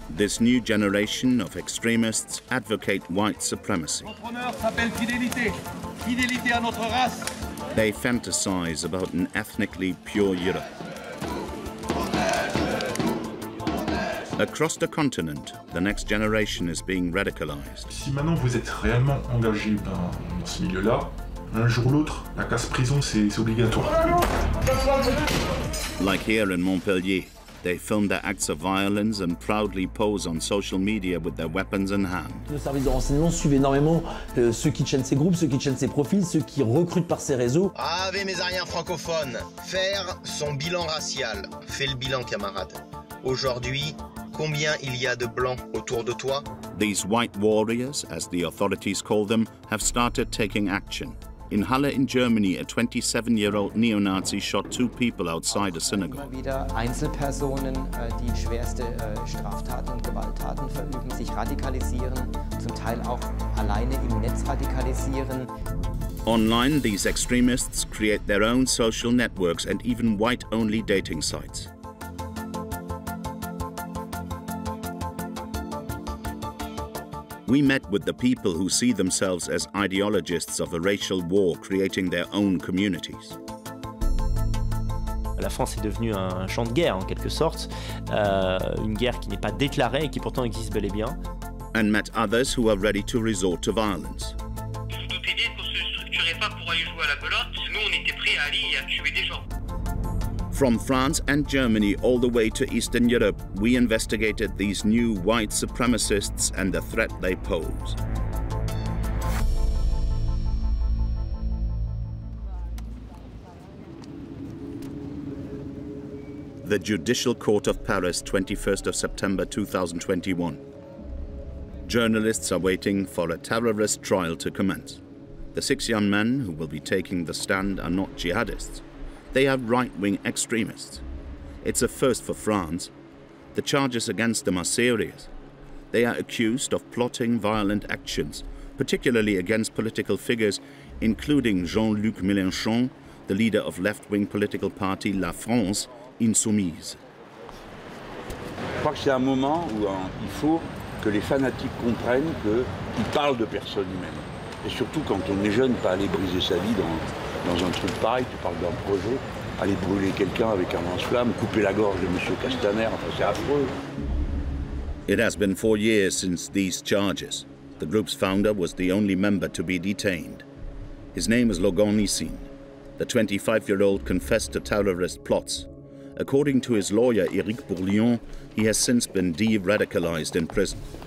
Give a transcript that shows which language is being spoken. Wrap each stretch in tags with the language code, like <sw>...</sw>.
<en>This new generation of extremists advocate white supremacy. They fantasize about an ethnically pure Europe. Across the continent, the next generation is being radicalized.</en> <fr>Si maintenant vous êtes réellement engagé dans ce milieu-là, un jour ou l'autre, la casse-prison, c'est obligatoire.</fr> <en>Like here in Montpellier, they film their acts of violence and proudly pose on social media with their weapons in hand.</en> <fr>Nos services de renseignement suivent énormément ceux qui tiennent ces groupes, ceux qui tiennent ces profils, ceux qui recrutent par ces réseaux. Ave mes arrières francophones, faire son bilan racial. Fais le bilan, camarade. Aujourd'hui, combien il y a de blancs autour de toi?</fr> <en>These white warriors, as the authorities call them, have started taking action. In Halle in Germany, a 27-year-old neo-Nazi shot two people outside a synagogue.</en> <de>Immer wieder Einzelpersonen, die schwerste Straftaten und Gewalttaten verüben, sich radikalisieren, zum Teil auch alleine im Netz radikalisieren.</de> <en>Online, these extremists create their own social networks and even white-only dating sites. We met with the people who see themselves as ideologists of a racial war creating their own communities.</en> <fr>La France est devenue un champ de guerre, en quelque sorte. Une guerre qui n'est pas déclarée et qui pourtant existe bel et bien.</fr> <en>And met others who are ready to resort to violence.</en> <fr>Notre idée, qu'on se structurait pas pour aller jouer à la pelote. Nous, on était prêts à aller et à tuer des gens.</fr> <en>From France and Germany all the way to Eastern Europe, we investigated these new white supremacists and the threat they pose. The Judicial Court of Paris, 21st of September 2021. Journalists are waiting for a terrorist trial to commence. The six young men who will be taking the stand are not jihadists. They are right-wing extremists. It's a first for France. The charges against them are serious. They are accused of plotting violent actions, particularly against political figures, including Jean-Luc Mélenchon, the leader of left-wing political party La France Insoumise.</en> <fr>Je crois que c'est un moment où il faut que les fanatiques comprennent qu'ils parlent de personnes humaines. Et surtout quand on est jeune, pas aller briser sa vie dans un truc pareil, tu parles d'un projet, aller brûler quelqu'un avec un lance-flamme, couper la gorge de Monsieur Castaner, enfin c'est affreux.</fr> <en>It has been 4 years since these charges. The group's founder was the only member to be detained. His name is Logan Nissin. The 25-year-old confessed to terrorist plots. According to his lawyer, Éric Bourlion, he has since been de-radicalized in prison.</en>